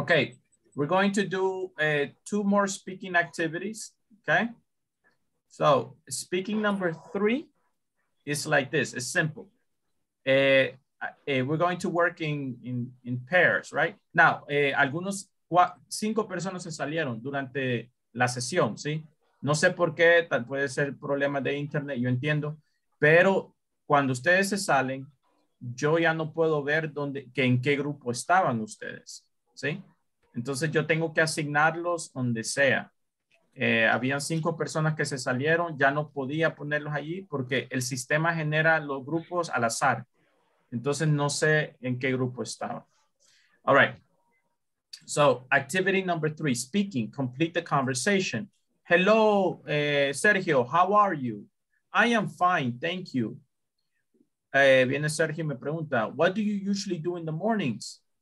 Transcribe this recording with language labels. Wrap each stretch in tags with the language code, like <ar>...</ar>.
<en>Okay, we're going to do two more speaking activities, okay? So speaking number three is like this, it's simple. We're going to work in pairs, right?</en> <es>Now, algunos, cinco personas se salieron durante la sesión, ¿sí? No sé por qué, puede ser problema de internet, yo entiendo, pero cuando ustedes se salen, yo ya no puedo ver dónde, que en qué grupo estaban ustedes, ¿sí? Entonces yo tengo que asignarlos donde sea. Habían cinco personas que se salieron, ya no podía ponerlos allí porque el sistema genera los grupos al azar. Entonces no sé en qué grupo estaban.</es> <en>All right. So activity number three, speaking, complete the conversation. Hello, Sergio, how are you? I am fine, thank you.</en> <es>Viene Sergio y me pregunta,</es> <en>what do you usually do in the mornings?</en>